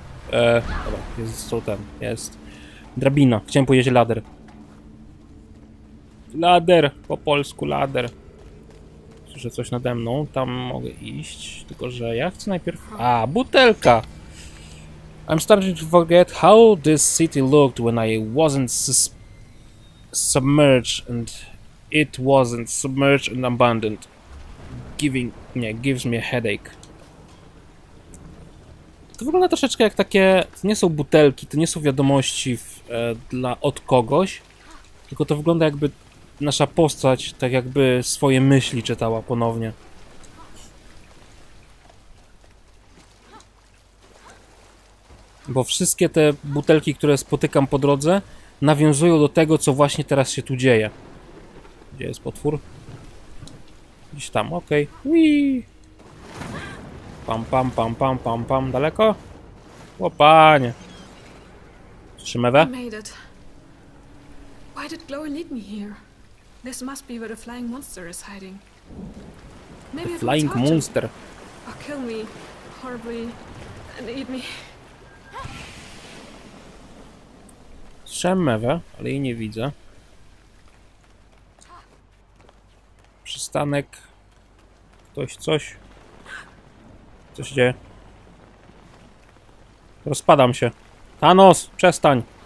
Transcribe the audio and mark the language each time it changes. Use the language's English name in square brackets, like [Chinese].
[Polish] Dobra, jest strutem. Jest. Drabina. Chciałem powiedzieć ladder. Ladder. Po polsku ladder. Słyszę coś nade mną. Tam mogę iść. Tylko, że ja chcę najpierw... A, butelka! [English] I'm starting to forget how this city looked when I wasn't submerged and it wasn't submerged and abandoned. Gives me a headache. [Polish] To wygląda troszeczkę jak takie, to nie są butelki, to nie są wiadomości od kogoś, tylko to wygląda jakby nasza postać, tak jakby swoje myśli czytała ponownie. Bo wszystkie te butelki, które spotykam po drodze, nawiązują do tego, co właśnie teraz się tu dzieje. Gdzie jest potwór? Gdzieś tam, okej. Okay. Wii. Pam, pam, pam, pam, pam, pam. Daleko? O, panie. Trzymewę? [English] Why did Chloe lead me here? This must be where the flying monster is hiding. Maybe the flying monster. Or kill me horribly and eat me. [Polish] Słyszałem mewę, ale jej nie widzę. Przystanek. Ktoś coś. Co się dzieje? Rozpadam się. Thanos, przestań.